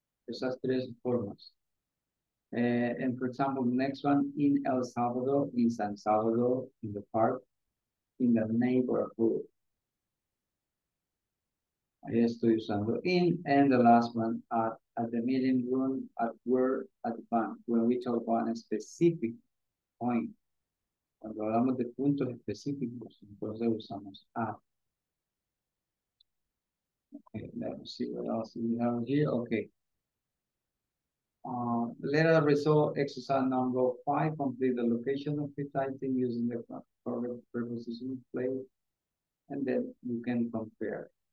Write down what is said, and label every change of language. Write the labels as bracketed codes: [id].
[es] Esas tres formas. [en] And for example, the next one, in El Salvador, in San Salvador, in the park, in the neighborhood. [es] Ahí estoy usando [en] in, and the last one, at the meeting room, at work, at the bank, when we talk about a specific point. [es] Cuando hablamos de puntos específicos, entonces usamos at. [en] Okay, let me see what else we have here. Okay. Let us resolve exercise number 5, complete the location of the item using the correct preposition place, and then you can compare.